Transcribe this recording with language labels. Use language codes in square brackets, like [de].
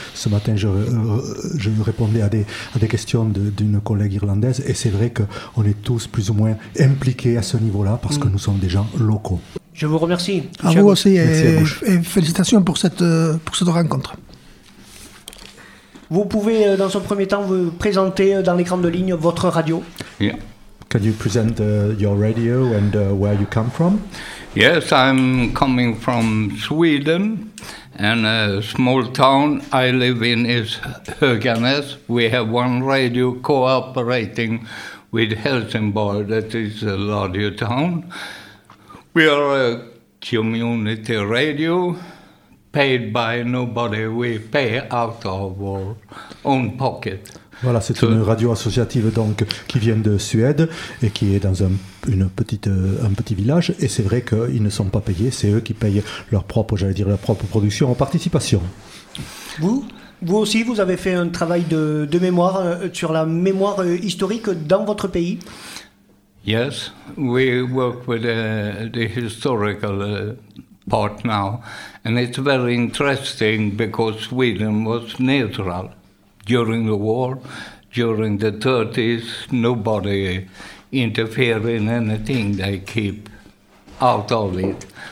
[fr] Ce matin, je répondais à des questions d'une collègue irlandaise, et c'est vrai qu'on est tous plus ou moins impliqués à ce niveau-là, parce que nous sommes des gens locaux. Je vous remercie. À vous aussi, et félicitations pour cette rencontre. Vous pouvez, dans un premier temps, vous présenter dans les grandes lignes votre radio. [en] Yeah. Can you present your radio and where you come from? Yes, I'm coming from Sweden, and a small town I live in is Höganäs. We have one radio cooperating with Helsingborg, that is a larger town. We are a community radio, paid by nobody. We pay out of our own pocket. [fr] Voilà, c'est une radio associative donc qui vient de Suède et qui est dans un petit village. Et c'est vrai qu'ils ne sont pas payés. C'est eux qui payent leur propre production en participation. Vous aussi, vous avez fait un travail de mémoire sur la mémoire historique dans votre pays. [en] Yes, we work with the historical part now, and it's very interesting because Sweden was neutral during the war, during the 30s, nobody interfered in anything, they keep out of it.